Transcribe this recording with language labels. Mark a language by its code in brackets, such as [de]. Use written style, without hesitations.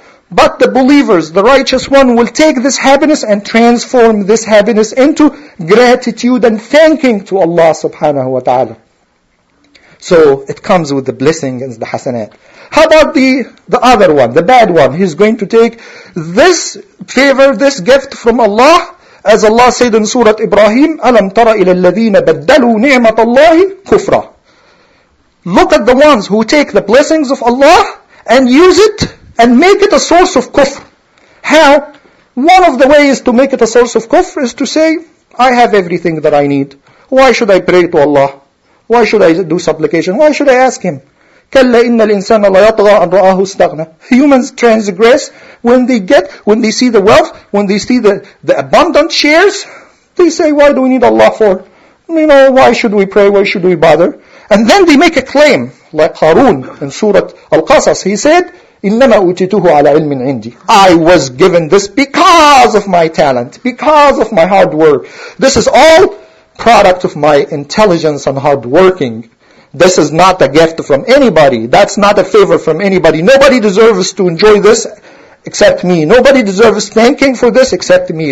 [en] But the believers, the righteous one, will take this happiness and transform this happiness into gratitude and thanking to Allah subhanahu wa ta'ala. So it comes with the blessing and the hasanat. How about the other one, the bad one? He's going to take this favor, this gift from Allah. As Allah said in Surah Ibrahim, [ar] أَلَمْ تَرَ إِلَى الَّذِينَ بَدَّلُوا نِعْمَةَ اللَّهِ كُفْرًا. [en] Look at the ones who take the blessings of Allah and use it and make it a source of kufr. How? One of the ways to make it a source of kufr is to say, I have everything that I need. Why should I pray to Allah? Why should I do supplication? Why should I ask Him? [ar] كَلَّا إِنَّ الْإِنسَانَ لَيَطْغَى أَنْ رَآهُ اسْتَغْنَى. [en] Humans transgress when they get, when they see the wealth, when they see the abundant shares, they say, why do we need Allah for? You know, why should we pray? Why should we bother? And then they make a claim, like Harun in Surah Al-Qasas. He said, [ar] إِنَّمَا أُوتِتُهُ عَلَى عِلْمٍ عِنْدِي. [en] I was given this because of my talent, because of my hard work. This is all product of my intelligence and hard working. This is not a gift from anybody. That's not a favor from anybody. Nobody deserves to enjoy this except me. Nobody deserves thanking for this except me.